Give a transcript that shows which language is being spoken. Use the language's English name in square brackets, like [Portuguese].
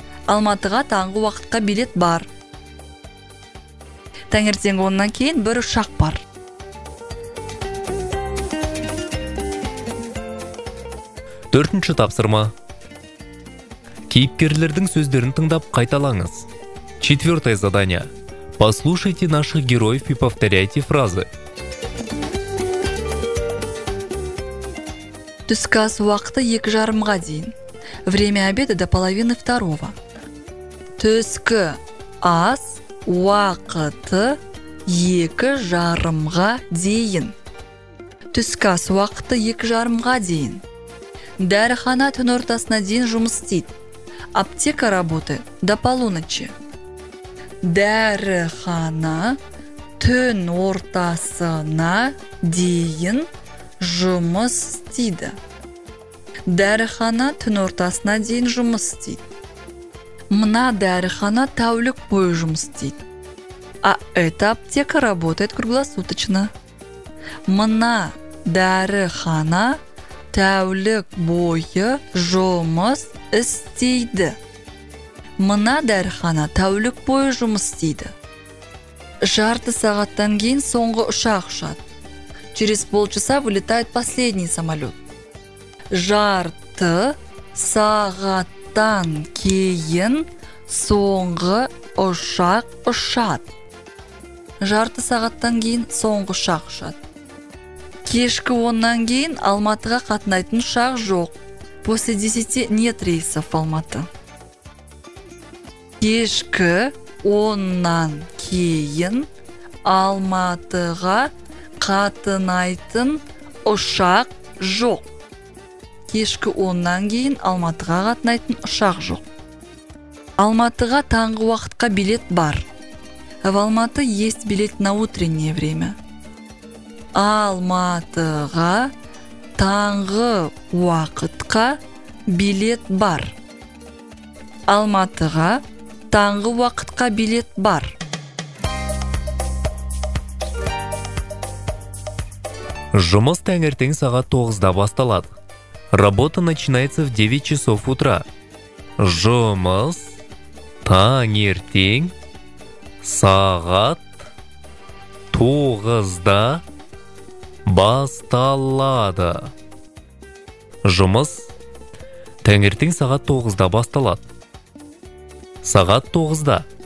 [Kazakh] Алматыға таңғы уақытқа билет бар. Таңертең оннан кейін бір ұшақ бар. Төртінші тапсырма. Кейіпкерлердің сөздерін тыңдап қайталаңыз. [Russian] Четвертое задание. Послушайте наших героев и повторяйте фразы. [Kazakh] Түскі ас уақыты екі жарымға дейін. [Russian] Время обеда до половины второго. [Kazakh] Түскі ас уақыты екі жарымға дейін. Түскі ас уақыты екі жарымға дейін. Дәріхана түн ортасына дейін жұмыс істейді. [Russian] Аптека работы до полуночи. [Kazakh] Дәріхана түн ортасына дейін жұмыс істейді. Дәріхана түн ортасына дейін жұмыс істейді. Мына дәріхана тәулік бойы жұмыс істейді. [Russian] А эта аптека работает круглосуточно. [Kazakh] Мына дәріхана тәулік бойы жұмыс істейді. Мына дәріхана тәулік бойы жұмыс істейді. Жарты сағаттан кейін соңғы ұшақ ұшады. [Russian] Через полчаса вылетает последний самолет. [Kazakh] Жарты сағаттан кейін соңғы ұшақ ұшады. Жарты сағаттан кейін соңғы ұшақ ұшады. Кешкі оннан кейін Алматыға қатынайтын ұшақ жоқ. [Russian] После 10 нет рейсов в Алматы. [Kazakh] Кешкі оннан кейін Алматыға қатынайтын ұшақ жоқ. Кешкі оннан кейін Алматыға қатынайтын ұшақ жоқ. Алматыға таңғы уақытқа билет бар. [Russian] В Алматы есть билет на утреннее время. [Kazakh] Алматыға таңғы уақытқа билет бар. Алматыға таңғы уақытқа билет бар. Жұмыс таңертең сағат 9-да басталады. [Russian] Работа начинается в 9 часов утра. [Kazakh] Жұмыс таңертең сағат 9-да басталады. Жұмыс таңертең сағат 9-да басталады. Сағат 9-да.